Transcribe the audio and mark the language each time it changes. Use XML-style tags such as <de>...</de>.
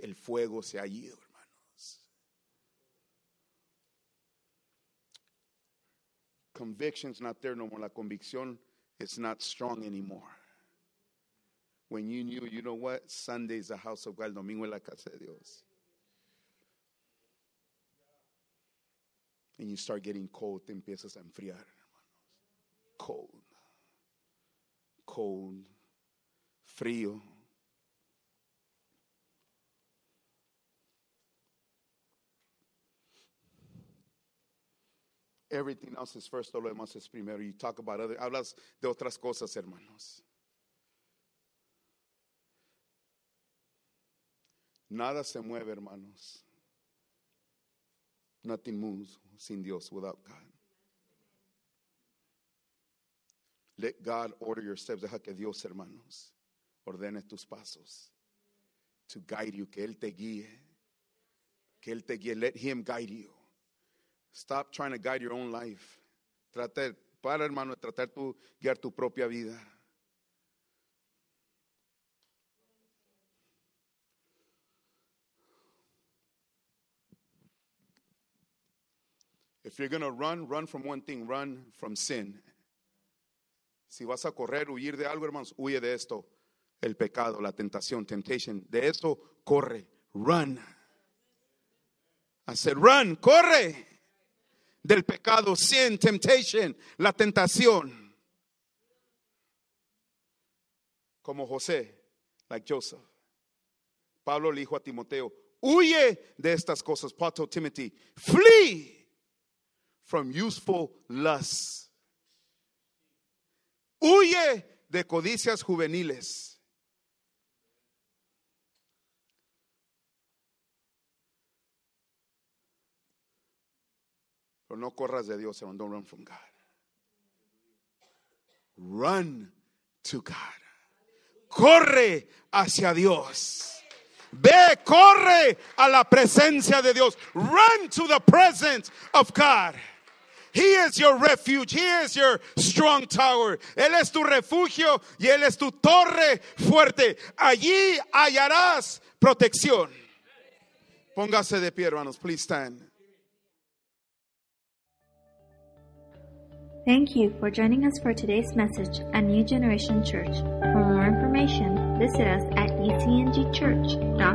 <es>El fuego se ha ido, hermanos.</es> <en>Conviction's not there no more.</en> <es>La convicción</es> <en>is not strong anymore. When you knew, you know what? Sunday is the house of God.</en> <es>Domingo es la casa de Dios.</es> <en>And you start getting cold.</en> <es>Te empiezas a enfriar, hermanos.</es> <en>Cold. Cold.</en> <es>Frío.</es> <en>Everything else is first.</en> <es>Todo lo demás es primero.</es> <en>You talk about other.</en> <es>Hablas de otras cosas, hermanos. Nada se mueve, hermanos.</es> <en>Nothing moves</en> <es>sin Dios,</es> <en>without God. Let God order your steps.</en> <es>Deja que Dios, hermanos, ordene tus pasos.</es> <en>To guide you,</en> <es>que Él te guíe. Que Él te guíe.</es> <en>Let Him guide you. Stop trying to guide your own life.</en> <es>Tratar tu guiar tu propia vida.</es> <en>If you're going to run, run from one thing, run from sin.</en> <es>Si vas a correr, huir de algo, hermanos, huye de esto. El pecado, la tentación, temptation. De esto, corre, run.</es> <en>I said, run,</en> <es>corre. Del pecado, sin temptation, la tentación. Como José,</es> <en>like Joseph.</en> <es>Pablo le dijo a Timoteo, huye de estas cosas.</es> <en>Paul told Timothy, flee from youthful lusts.</en> <es>Huye de codicias juveniles. Pero no corras de Dios,</es> <en>don't run from God. Run to God.</en> <es>Corre hacia Dios. Ve, corre a la presencia de Dios.</es> <en>Run to the presence of God. He is your refuge. He is your strong tower.</en> <es>Él es tu refugio y Él es tu torre fuerte. Allí hallarás protección. Póngase de pie, hermanos.</es> <en>Please stand. Thank you for joining us for today's message at New Generation Church. For more information, visit us at etngchurch.com.</en>